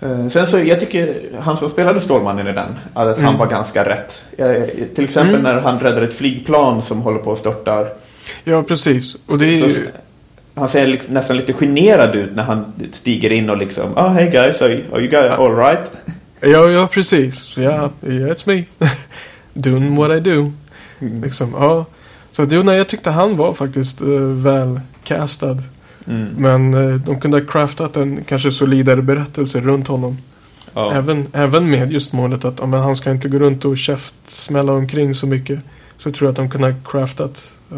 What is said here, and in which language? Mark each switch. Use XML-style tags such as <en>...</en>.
<sv>Sen så, jag tycker han som spelade Stålmannen i den, att han var ganska rätt. Till exempel när han räddar ett flygplan som håller på att störta. Ja, precis. Och det är ju, han ser liksom nästan lite generad ut när han stiger in och liksom,</sv> <en>oh, hey guys, are you guys all right?</en> <sv>Ja, precis.</sv> <en>Yeah, it's me. Doing what I do.</en> <sv>Liksom, ja. Så att, jo, nej, jag tyckte han var faktiskt väl castad. Mm. Men de kunde ha craftat en kanske solidare berättelse runt honom. Ja. Även med just målet att om han ska inte gå runt och käftsmälla omkring så mycket, så tror jag att de kunde ha craftat.</sv>